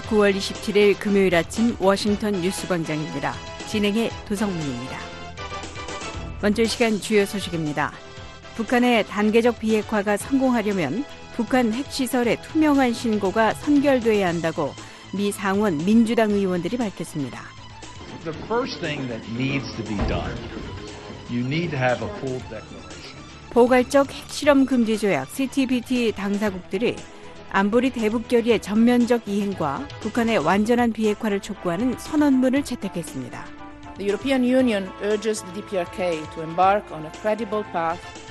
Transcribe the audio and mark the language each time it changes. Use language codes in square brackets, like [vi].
[ko] 9월 27일 금요일 아침 워싱턴 뉴스 광장입니다. 진행의 도성민입니다. 먼저 시간 주요 소식입니다. 북한의 단계적 비핵화가 성공하려면 북한 핵시설의 투명한 신고가 선결돼야 한다고 미 상원 민주당 의원들이 밝혔습니다. [en] The first thing that needs to be done, you need to have a full declaration. [ko] 포괄적 핵실험 금지 조약 CTBT 당사국들이 안보리 대북 결의의 전면적 이행과 북한의 완전한 비핵화를 촉구하는 선언문을 채택했습니다. [en] The European Union urges the DPRK to embark on a credible path.